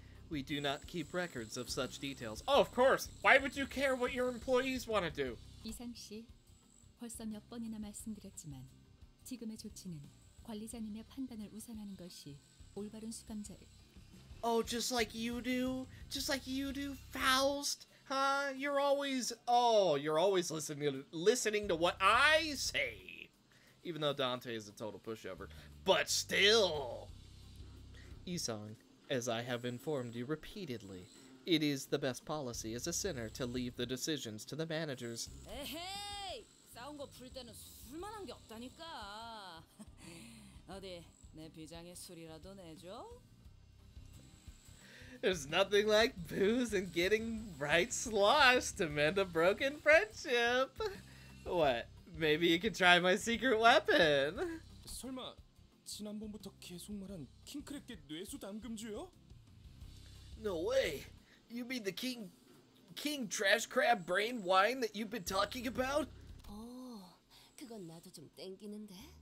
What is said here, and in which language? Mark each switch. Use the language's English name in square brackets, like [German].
[English] We do not keep records of such details. Oh, of course! Why would you care what your employees want to do? [Korean] 이상씨, 벌써 몇 번이나 말씀드렸지만 지금의 조치는 관리자님의 판단을 우선하는 것이 올바른 수감자의... [English] Oh, just like you do? Just like you do, Faust? Huh? You're always listening to what I say. Even though Dante is a total pushover. But still! Isong, as I have informed you repeatedly, it is the best policy as a sinner to leave the decisions to the managers. Hey! [Korean] 싸운 거 풀 때는 술만한 게 없다니까. 어디, 내 비장에 술이라도 내줘? [English] There's nothing like booze and getting right sloshed to mend a broken friendship. What? Maybe you can try my secret weapon. [Korean] 설마 지난번부터 계속 말한 킹크랩께 뇌수 담금주요? [English] No way. You mean the king trash crab brain wine that you've been talking about? [Korean] 오, 그건 나도 좀 땡기는데.